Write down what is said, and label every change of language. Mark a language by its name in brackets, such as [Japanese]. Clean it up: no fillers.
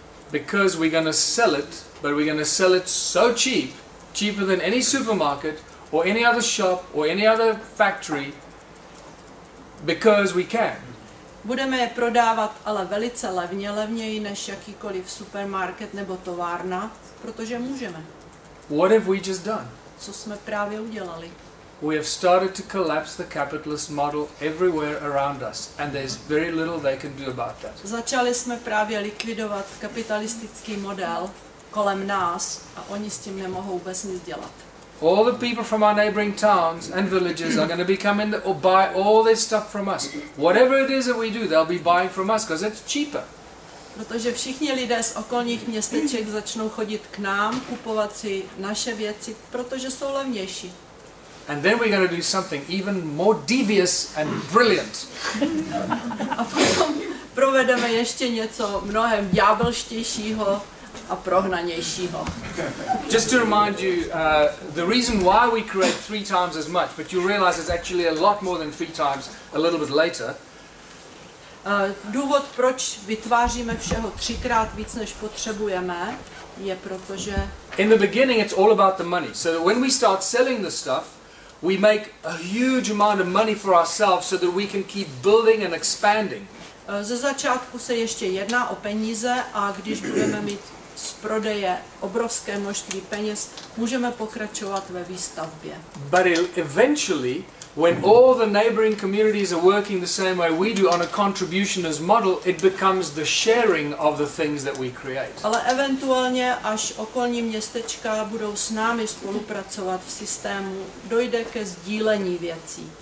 [English] Because we're going to sell it, but we're going to sell it so cheap, cheaper than any supermarket or any other shop or any other factory, because we can. [Czech] Budeme je prodávat ale velice levně, levněji než jakýkoliv supermarket nebo továrna, protože můžeme. [English] What have we just done? [Czech] Co jsme právě udělali? [English] We have started to collapse the capitalist model everywhere around us, and there's very little they can do about that. [Czech] Začali jsme právě likvidovat kapitalistický model kolem nás a oni s tím nemohou vůbec nic dělat. [English] All the people from our neighboring towns and villages are going to be coming or buy all this stuff from us. Whatever it is that we do, they'll be buying from us because it's cheaper. [Czech] Protože všichni lidé z okolních městeček začnou chodit k nám, kupovat si naše věci, protože jsou levnější. [English] And then we're going to do something even more devious and brilliant. [Czech] A potom provedeme ještě něco mnohem ďábelštějšího a prohnanějšího. [English] Just to remind you, the reason why we create 3 times as much, but you realize it's actually a lot more than 3 times a little bit later. [Czech] Důvod, proč vytváříme všeho 3x víc, než potřebujeme, je protože... [English] In the beginning it's all about the money. So when we start selling the stuff, we make a huge amount of money for ourselves so that we can keep building and expanding. [Czech] Ze začátku se ještě jedná o peníze a když budeme mít z prodeje obrovské množství peněz, můžeme pokračovat ve výstavbě. [English] But eventually, when all the neighboring communities are working the same way we do on a contributionist model, it becomes the sharing of the things that we create. [Czech] Ale eventuálně, až okolní městečka budou s námi spolupracovat v systému, dojde ke sdílení věcí.